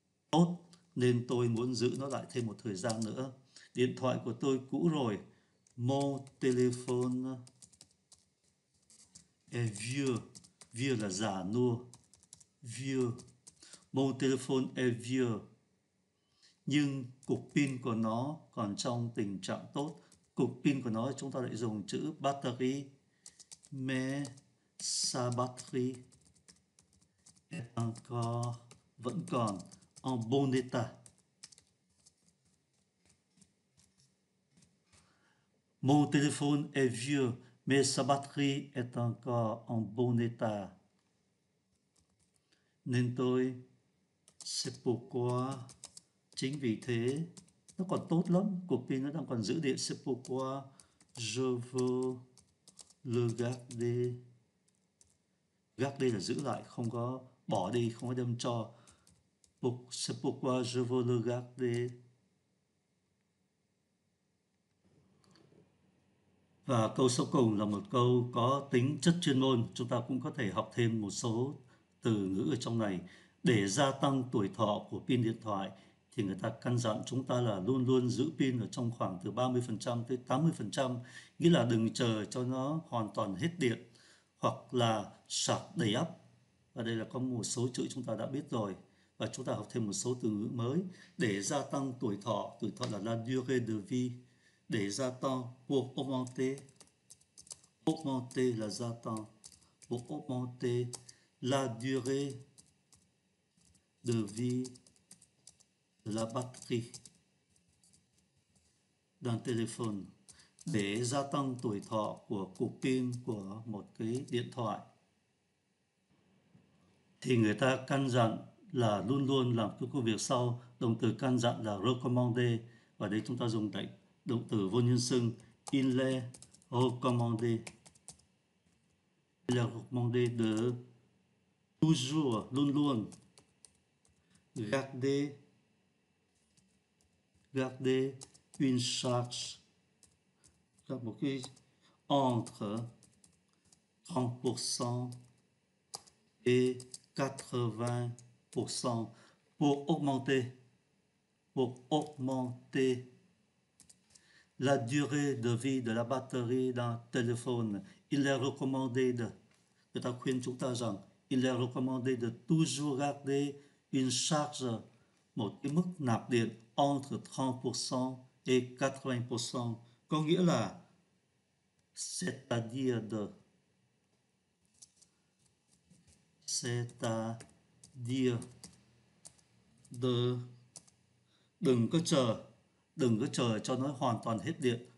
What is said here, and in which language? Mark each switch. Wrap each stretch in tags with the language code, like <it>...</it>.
<vi>Tốt, nên tôi muốn giữ nó lại thêm một thời gian nữa. Điện thoại của tôi cũ rồi.</vi> <fr>Mon téléphone est vieux. Vieux</fr> <vi>là già nua.</vi> <fr>Vieux. Mon téléphone est vieux.</fr> <vi>Nhưng cục pin của nó còn trong tình trạng tốt. Cục pin của nó chúng ta lại dùng chữ battery.</vi> <fr>Mais sa batterie est encore,</fr> <vi>vẫn còn,</vi> <fr>en bon état. Mon téléphone est vieux. Mais sa batterie est encore en bon état.</fr> <vi>Nên tôi,</vi> <fr>c'est pourquoi,</fr> <vi>chính vì thế, nó còn tốt lắm, cục pin nó đang còn giữ điện.</vi> <fr>C'est pourquoi je veux le garder.</fr> <vi>Garder là giữ lại, không có bỏ đi, không có đem cho.</vi> <fr>C'est pourquoi je veux le garder.</fr> <vi>Và câu số cùng là một câu có tính chất chuyên môn. Chúng ta cũng có thể học thêm một số từ ngữ ở trong này. Để gia tăng tuổi thọ của pin điện thoại thì người ta căn dặn chúng ta là luôn luôn giữ pin ở trong khoảng từ 30% tới 80%, nghĩa là đừng chờ cho nó hoàn toàn hết điện hoặc là sạc đầy ắp. Và đây là có một số chữ chúng ta đã biết rồi, và chúng ta học thêm một số từ ngữ mới. Để gia tăng tuổi thọ là</vi> <fr>la durée de vie.</fr> <vi>Để gia tăng,</vi> <fr>pour augmenter.</fr> <vi>Augmenter là gia tăng.</vi> <fr>Pour augmenter la durée de vie la batterie d'un téléphone.</fr> <vi>Để gia tăng tuổi thọ của cục pin của một cái điện thoại thì người ta căn dặn là luôn luôn làm cái công việc sau. Động từ căn dặn là recommander, và đây chúng ta dùng cái động từ vô nhân xưng</vi> <fr>il est recommandé. Il est recommandé de toujours,</fr> <vi>luôn luôn</vi> <fr>garder garder une charge</fr> <vi>là một cái</vi> <fr>entre 30% et 80% pour augmenter la durée de vie de la batterie d'un téléphone. Il est recommandé de,</fr> <vi>người ta khuyên chúng ta rằng,</vi> <fr>il est recommandé de toujours garder une charge,</fr> <vi>một cái mức nạp điện</vi> <fr>entre 30% et 80%,</fr> <vi>có nghĩa là</vi> <fr>c'est-à-dire de, c'est-à-dire de,</fr> <vi>đừng có chờ cho nó hoàn toàn hết điện.</vi>